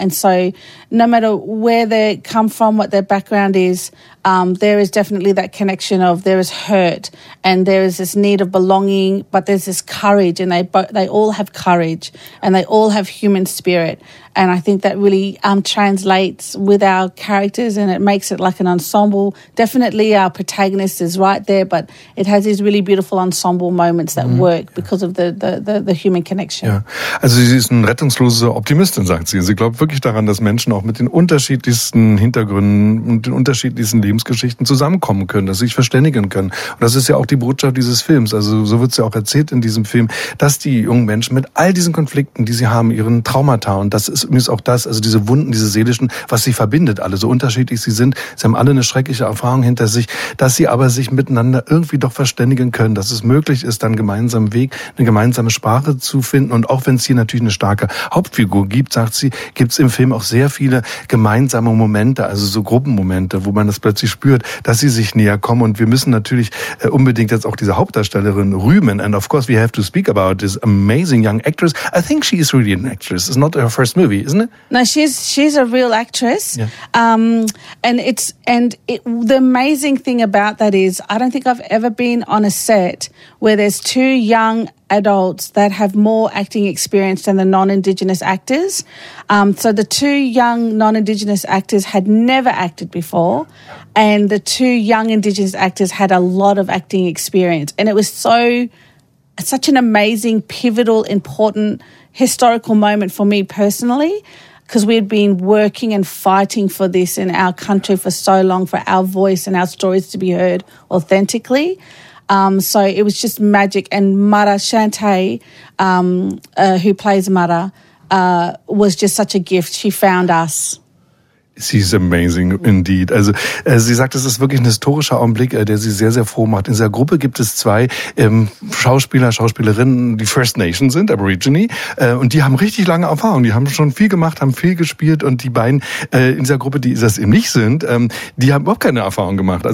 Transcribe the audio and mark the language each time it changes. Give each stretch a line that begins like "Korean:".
English: And so no matter where they come from, what their background is, there is definitely that connection of there is hurt and there is this need of belonging, but there's this courage, and they all have courage and they all have human spirit. And I think that really translates with our characters, and it makes it like an ensemble. Definitely our protagonist is right there, but it has these really beautiful ensemble moments that work because of the human connection.
German: Ja. Also sie ist eine rettungslose Optimistin, sagt sie. Sie glaubt wirklich daran, dass Menschen auch mit den unterschiedlichsten Hintergründen und den unterschiedlichsten Lebensgeschichten zusammenkommen können, dass sie sich verständigen können. Und das ist ja auch die Botschaft dieses Films. Also so wird es ja auch erzählt in diesem Film, dass die jungen Menschen mit all diesen Konflikten, die sie haben, ihren Traumata, und das ist übrigens auch das, also diese Wunden, diese seelischen, was sie verbindet, alle, so unterschiedlich sie sind, sie haben alle eine schreckliche Erfahrung hinter sich, dass sie aber sich miteinander irgendwie doch verständigen können, dass es möglich ist, dann einen gemeinsamen Weg, eine gemeinsame Sprache zu finden. Und auch wenn es hier natürlich eine starke Hauptfigur gibt, sagt sie, gibt es im Film auch sehr viele gemeinsame Momente, also so Gruppenmomente, wo man das plötzlich spürt, dass sie sich näher kommen. Und wir müssen natürlich unbedingt jetzt auch diese Hauptdarstellerin rühmen.
English: And of course we have to speak about this amazing young actress. I think she is really an actress. It's not her first movie, isn't it? No, she's a real actress. Yeah. The amazing thing about that is I don't think I've ever been on a set where there's two young adults that have more acting experience than the non-Indigenous actors. So the two young non-Indigenous actors had never acted before, and the two young Indigenous actors had a lot of acting experience. And it was such an amazing, pivotal, important historical moment for me personally, because we had been working and fighting for this in our country for so long, for our voice and our stories to be heard authentically. So it was just magic. And Mara Shante, who plays Mara, was just such a gift. She found us. She's amazing indeed.
German: Also sie sagt, es ist wirklich ein historischer Augenblick, der sie sehr, sehr froh macht. In dieser Gruppe gibt es zwei Schauspieler, Schauspielerinnen, die First Nation sind, Aborigine, und die haben richtig lange Erfahrung. Die haben schon viel gemacht, haben viel gespielt, und die beiden in dieser Gruppe, die das eben nicht sind, die haben überhaupt keine Erfahrung gemacht.